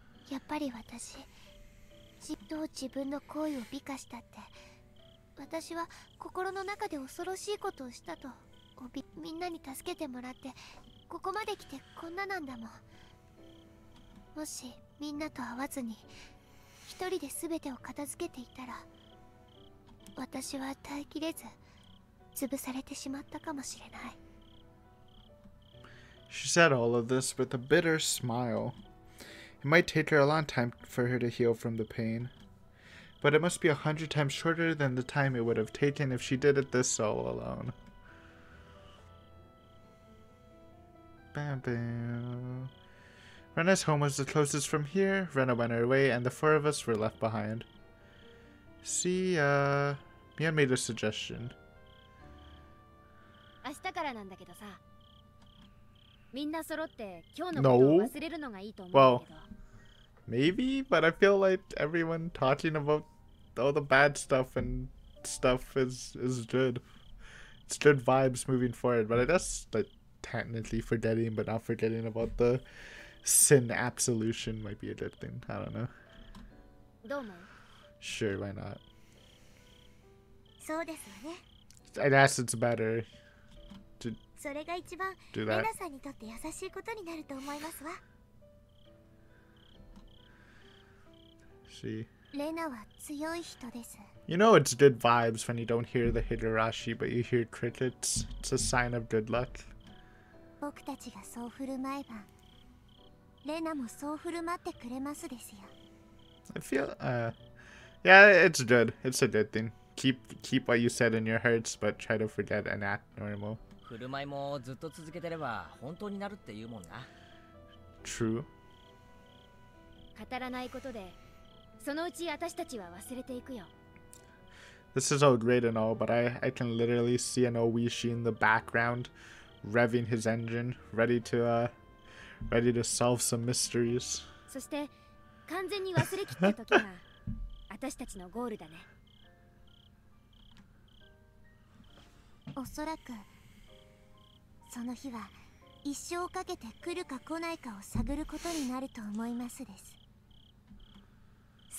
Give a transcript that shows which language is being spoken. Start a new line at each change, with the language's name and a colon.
Japanese: やっぱり私、じっと自分の行為を美化したって、私は心の中で恐ろしいことをしたと、みんなに助けてもらってここまで来てこんななんだもん。もしみんなと会わずに一人で全てを片付けていたら、私は耐えきれず潰されてしまったかもしれない。
English: She said all of this with a bitter smile. It might take her a long time for her to heal from the pain, but it must be 100 times shorter than the time it would have taken if she did it this all alone. Bam bam. Rena's home was the closest from here. Rena went her way, and the four of us were left behind. See, Mia made a suggestion.
Japanese: 明日からなんだけどさ、みんな揃って今日のことを忘れるのがいいと思うんだけど。
English: Well, maybe, but I feel like everyone talking about all the bad stuff and stuff is good. It's good vibes moving forward, but I guess like technically forgetting but not forgetting about the sin absolution might be a good thing. I don't know.
Japanese: どう思う?
English: Sure, why not?
Japanese: そうですよね。
English: I guess it's better.
Japanese: それが一番レナさんにとって優しいことになると思いますわ。レナは強い人です。
English: You know it's good vibes when you don't hear the Higurashi, but you hear crickets. It's a sign of good luck.
Japanese: 僕たちがそう振る舞えば、レナもそう振る舞ってくれますですよ。
English: I feel, yeah, it's good. It's a good thing. Keep what you said in your hearts, but try to forget and act normal.
Japanese: 振る舞いもずっと続けてれば本当になるっていうもんな。
English: True。
Japanese: 語らないことでそのうち私たちは忘れていくよ。
English: This is all great and all, but I can literally see an Oishi in the background revving his engine, ready to solve some mysteries.
Japanese: そして完全に忘れきった時が私たちのゴールだね。おそらくその日は一生かけて来るか来ないかを探ることになると思いますです。